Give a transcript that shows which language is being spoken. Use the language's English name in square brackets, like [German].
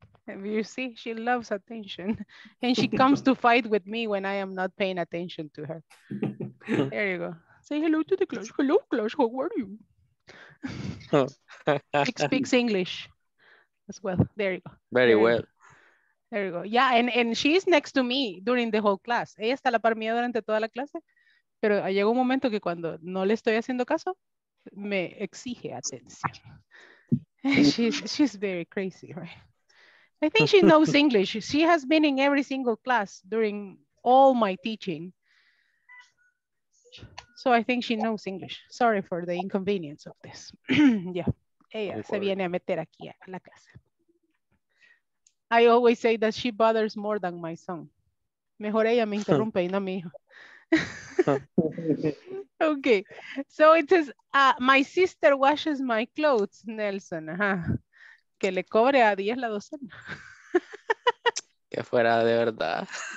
[English] You see, she loves attention and she comes to fight with me when I am not paying attention to her. There you go. Say hello to the class. Hello, class. How are you? She speaks English as well. There you go. Very well. You. There you go. Yeah, and she's next to me during the whole class. [Spanish] Ella está a la par mía durante toda la clase, pero llega un momento que cuando no le estoy haciendo caso, me exige atención. [English] She's very crazy, right? I think she knows English. She has been in every single class during all my teaching. So I think she knows English. Sorry for the inconvenience of this. Yeah. [Spanish] Ella se viene a meter aquí a la casa. [English] I always say that she bothers more than my son. [Spanish] Mejor ella me interrumpe y no mi hijo. [English] Okay. So it says, my sister washes my clothes, Nelson. Ajá. [Spanish] Que le cobre a 10 la docena. Que fuera de verdad.